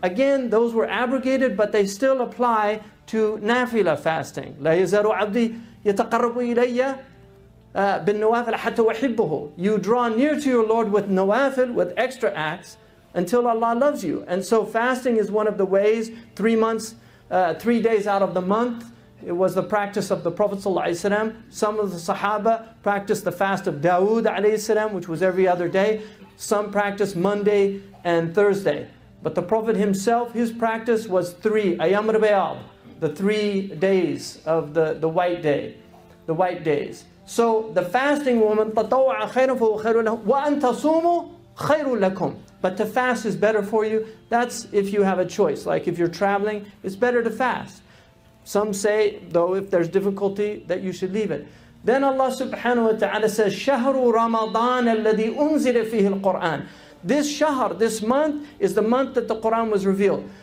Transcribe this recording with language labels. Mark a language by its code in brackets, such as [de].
[en] Again, those were abrogated, but they still apply to nafila fasting. [ar] لا يزال عبدي يتقرب إلي بالنوافل حتى أحبه. [en] You draw near to your Lord with nawafil, with extra acts, until Allah loves you. And so fasting is one of the ways, 3 months, 3 days out of the month, it was the practice of the Prophet ﷺ. Some of the Sahaba practiced the fast of Dawood ﷺ, which was every other day. Some practiced Monday and Thursday. But the Prophet himself, his practice was three, Ayyam al-Bayad, the 3 days of the white days. So the fasting woman, [ar] تَطَوَعَ خَيْرًا فَهُوَ خَيْرٌ لَكُمْ وَأَن تَصُومُوا خَيْرٌ لَكُمْ. [en] But to fast is better for you. That's if you have a choice. Like if you're traveling, it's better to fast. Some say, though, if there's difficulty, that you should leave it. Then Allah subhanahu wa ta'ala says, [ar] شَهْرُ رَمَضَانَ الَّذِي أُنزِلَ فِيهِ الْقُرْآنِ. [en] This shahr, this month, is the month that the Qur'an was revealed.